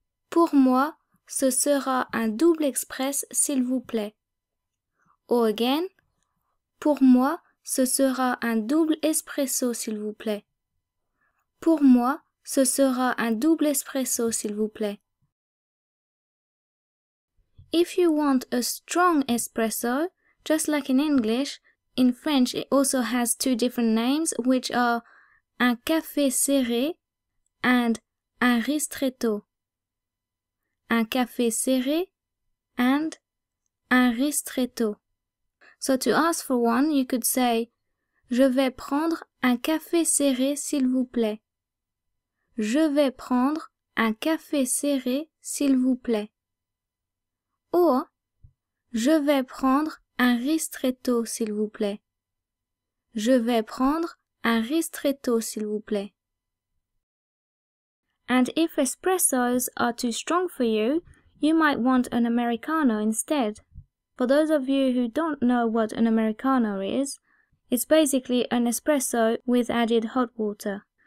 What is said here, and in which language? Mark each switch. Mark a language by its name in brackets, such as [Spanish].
[French] Pour moi, ce sera un double express, s'il vous plaît. [English] Or again, [French] pour moi, ce sera un double espresso, s'il vous plaît. Pour moi, ce sera un double espresso, s'il vous plaît. [English] If you want a strong espresso, just like in English, in French it also has two different names, which are [French] un café serré [English] and [French] un ristretto. Un café serré and un ristretto. [English] So to ask for one, you could say, [French] je vais prendre un café serré, s'il vous plaît. Je vais prendre un café serré, s'il vous plaît. [English] Or, [French] je vais prendre un ristretto, s'il vous plaît. Je vais prendre un ristretto, s'il vous plaît. [English] And if espressos are too strong for you, you might want an Americano instead. For those of you who don't know what an Americano is, it's basically an espresso with added hot water.